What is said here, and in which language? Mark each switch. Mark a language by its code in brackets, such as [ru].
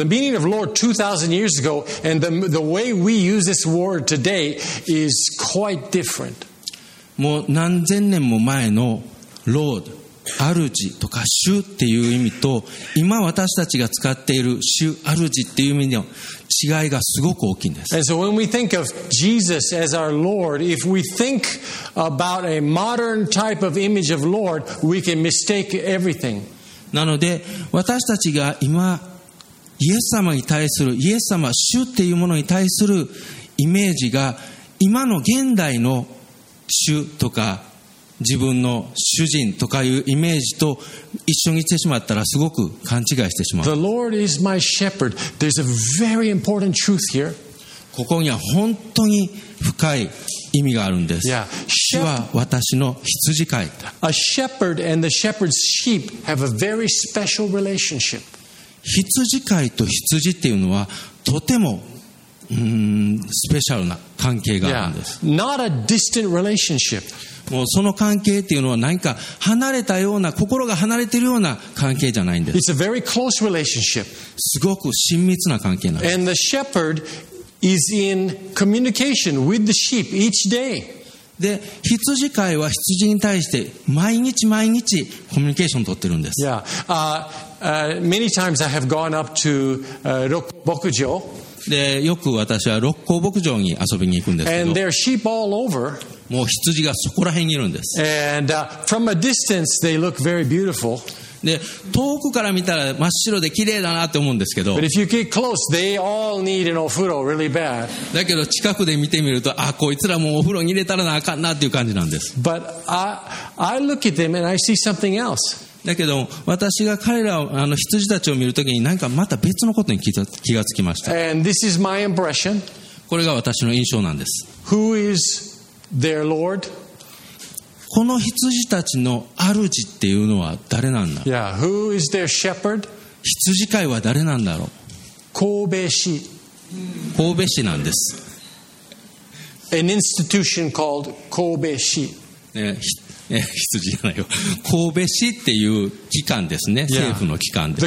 [en] The meaning of Lord 2000 years ago and the way we use this word today is quite different. [ja] もう何千年も前の Lord 主とか主っていう意味と今私たちが使っている主主っていう意味の違いがすごく大きいんです。 [en] And so when we think of Jesus as our Lord, if we think about a modern type of image of Lord, we can mistake everything. [ja] なので私たちが今イエス様に対するイエス様主っていうものに対するイメージが今の現代の主とか自分の主人とかいうイメージと一緒にしてしまったらすごく勘違いしてしまう。 [en] The Lord is my shepherd. There's a very important truth here. [ja] ここには本当に深い意味があるんです。 Yeah. 主は私の羊飼い。 [en] A shepherd and the shepherd's sheep have a very special relationship. [ja] 羊飼いと羊っていうのはとてもスペシャルな関係があるんです。 Yeah. [en] Not a distant relationship. [ja] もうその関係っていうのは何か離れたような心が離れているような関係じゃないんです。 [en] It's a very close relationship. [ja] すごく親密な関係なんです。 [en] And the shepherd is in communication with the sheep each day. [ja] で羊飼いは羊に対して毎日毎日コミュニケーションを取ってるんです。 [en] Yeah. Many times I have gone up to Rokubokujo. [ja] でよく私は六甲牧場に遊びに行くんですけど、 [en] And there are sheep all over. [ja] もう羊がそこら辺にいるんです。 [en] And, from a distance, they look very beautiful. [ja] で、遠くから見たら真っ白で綺麗だなって思うんですけど。 [en] But if you get close, they all need an ofuro really bad. [ja] だけど近くで見てみると、あ、こいつらもうお風呂に入れたらなあかんなっていう感じなんです。 [en] But I look at them and I see something else. [ja] だけど私が彼らを羊たちを見るときに何かまた別のことに気がつきました。 [en] And this is my impression. [ja] これが私の印象なんです。 [en] Who is... Their Lord. [ja] この羊たちの主っていうのは誰なんだ。 [en] Yeah, who is their shepherd? [ja] 羊飼いは誰なんだろう。神戸市。神戸市なんです。 [en] An institution called 神戸市。 [ja] 羊じゃないよ、神戸市っていう機関ですね、政府の機関です。